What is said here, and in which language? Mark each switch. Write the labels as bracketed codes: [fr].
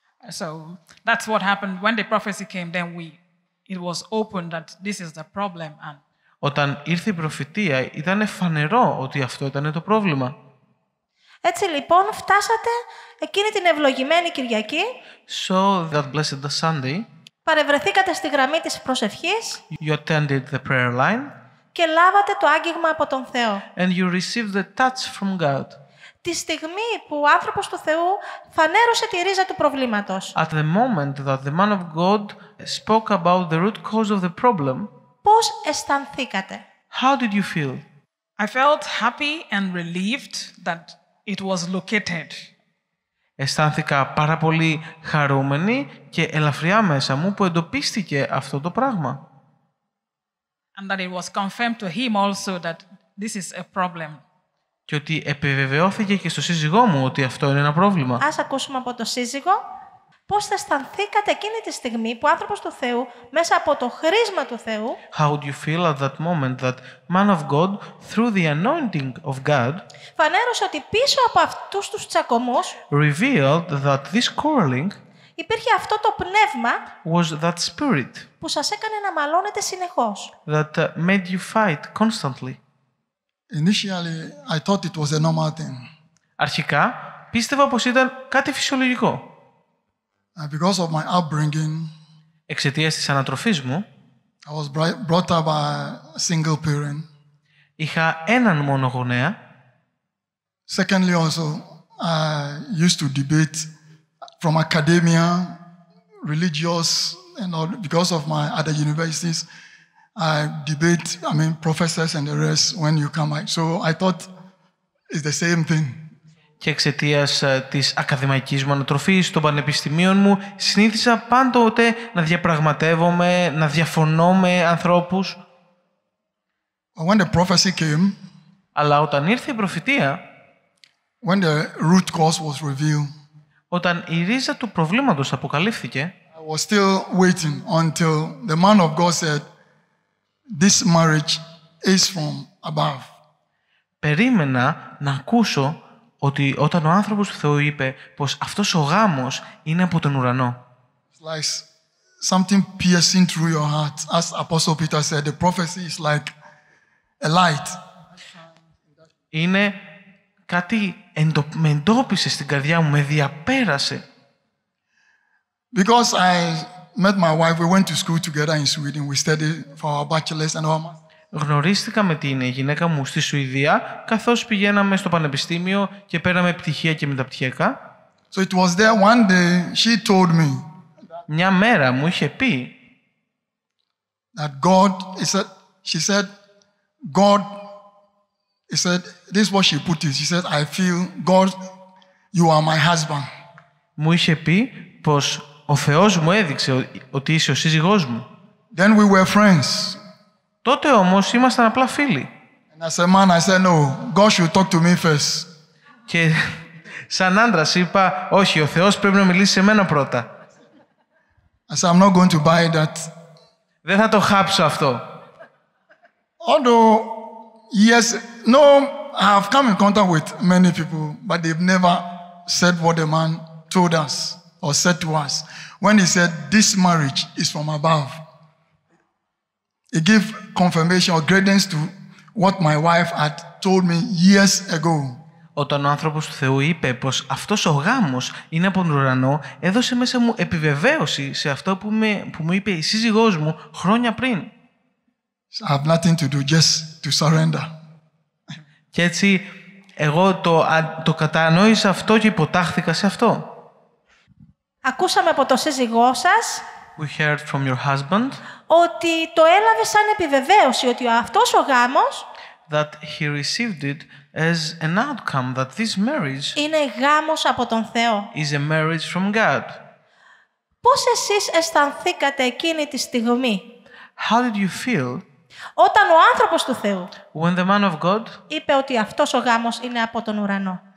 [en] So that's what happened when the prophecy came. Then it was open that this is the problem and. [el] Όταν ήρθε η προφητεία, ήταν φανερό ότι αυτό ήταν το πρόβλημα. Έτσι λοιπόν, φτάσατε εκείνη την ευλογημένη Κυριακή. [en] So that blessed the Sunday. [el] Παρευρεθήκατε στη γραμμή της προσευχής. [en] You attended the prayer line. [el] Και λάβατε το άγγιγμα από τον Θεό. [en] And you received the touch from God. [el] Τη στιγμή που ο άνθρωπος του Θεού φανέρωσε τη ρίζα του προβλήματος. [en] At the moment that the man of God spoke about the root cause of the problem. [el] Πώς αισθανθήκατε; [en] How did you feel? I felt happy and relieved that it was located. [el] Αισθάνθηκα πάρα πολύ χαρούμενη και ελαφριά μέσα μου που εντοπίστηκε αυτό το πράγμα. [en] And that it was confirmed to him also that this is a problem. [el] Και ότι επιβεβαιώθηκε και στο σύζυγό μου ότι αυτό είναι ένα πρόβλημα. Ας ακούσουμε από το σύζυγο Πώς θα αισθανθήκατε εκείνη τη στιγμή που ο άνθρωπος του Θεού μέσα από το χρίσμα του Θεού [en] How would you feel at that moment that man of God through the anointing of God [el] φανέρωσε ότι πίσω από αυτούς τους τσακωμούς [en] revealed that this quarreling [el] υπήρχε αυτό το πνεύμα [en] was that spirit [el] που σας έκανε να μαλώνετε συνεχώς [en] that made you fight constantly. Initially, I thought it was a normal thing. [el] Αρχικά, πίστευα πως ήταν κάτι φυσιολογικό. [en] Because of my upbringing, [el] εξαιτίας της ανατροφής μου, [en] I was brought up by a single parent. Είχα έναν μόνο γονέα. Secondly, also, I used to debate from academia, religious, and all, because of my other universities, I debate. I mean, professors and the rest. When you come out, so I thought it's the same thing. [el] Και εξαιτίας της ακαδημαϊκής μου ανατροφής, των πανεπιστημίων μου, συνήθισα πάντοτε να διαπραγματεύομαι, να διαφωνώ με ανθρώπους. [en] When the prophecy came, [el] αλλά όταν ήρθε η προφητεία, [en] when the root cause was revealed, [el] όταν η ρίζα του προβλήματος αποκαλύφθηκε, [en] I was still waiting until the man of God said, "This marriage is from above." [el] Περίμενα να ακούσω ότι όταν ο άνθρωπος του Θεού είπε πως αυτός ο γάμος είναι από τον ουρανό. [en] It's like something piercing through your heart, as Apostle Peter said, the prophecy is like a light. [el] Είναι κάτι με εντόπισε στην καρδιά μου, με διαπέρασε. [en] Because I met my wife, we went to school together in Sweden, we studied for our bachelor's and our master's. [el] Γνωρίστηκα με την γυναίκα μου στη Σουηδία, καθώς πηγαίναμε στο πανεπιστήμιο και πέραμε πτυχία και μεταπτυχιακά. [en] So it was there one day she told me. [el] Μια μέρα μου είχε πει. [en] That God, she said, God, he said, this is what she put it. She said, I feel God, you are my husband. [el] Μου είχε πει πως ο Θεός μου έδειξε ότι είσαι ο σύζυγός μου. [en] Then we were friends. [el] Τότε όμως ήμασταν απλά φίλοι. [en] And as a man, I said, no, God should talk to me first. [el] Και σαν άντρας είπα, όχι, ο Θεός πρέπει να μιλήσει σε μένα πρώτα. [en] I said, I'm not going to buy that. [el] Δεν θα το χάψω αυτό. [en] Although, yes, no, I've come in contact with many people, but they've never said what the man told us or said to us. When he said, this marriage is from above. It gave confirmation or credence to what my wife had told me years ago. [el] Όταν ο άνθρωπος του Θεού είπε πως αυτός ο γάμος είναι από τον ουρανό, έδωσε μέσα μου επιβεβαίωση σε αυτό που μου είπε η σύζυγός μου χρόνια πριν. [en] I have nothing to do, just to surrender. [el] Και έτσι εγώ το κατανόησα αυτό και υποτάχθηκα σε αυτό. Ακούσαμε από το σύζυγό σας. [en] We heard from your husband [el] ότι το έλαβε σαν επιβεβαίωση ότι αυτός ο γάμος [en] that he received it as an outcome that this marriage [el] είναι γάμος από τον Θεό [en] is a marriage from God. [el] Πώς εσείς αισθανθήκατε εκείνη τη στιγμή [en] how did you feel [el] όταν ο άνθρωπος του Θεού [en] when the man of God [el] είπε ότι αυτός ο γάμος είναι από τον ουρανό